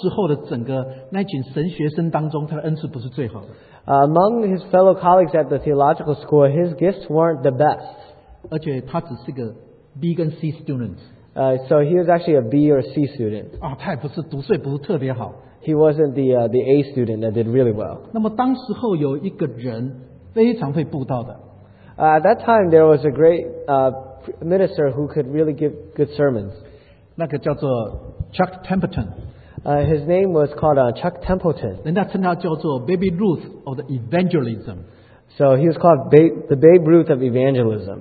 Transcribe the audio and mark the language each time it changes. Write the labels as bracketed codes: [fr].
[zh] 那么他事实上他的恩赐在当时候的整个那群神学生当中, 他的恩赐不是最好的。 [en] Among his fellow colleagues at the theological school, his gifts weren't the best. [zh] 而且他只是个 B 跟 C student. [en] So he was actually a B or C student. [zh] 他也不是读书也不是特别好。 [en] He wasn't the A student that did really well. [zh] 那么当时候有一个人非常会布道的。 [en] At that time, there was a great minister who could really give good sermons. [zh] 那个叫做 Chuck Templeton. [en] His name was called Chuck Templeton. [zh] 人家称他叫做 [en] Baby Ruth of the Evangelism. So he was called the Babe Ruth of Evangelism.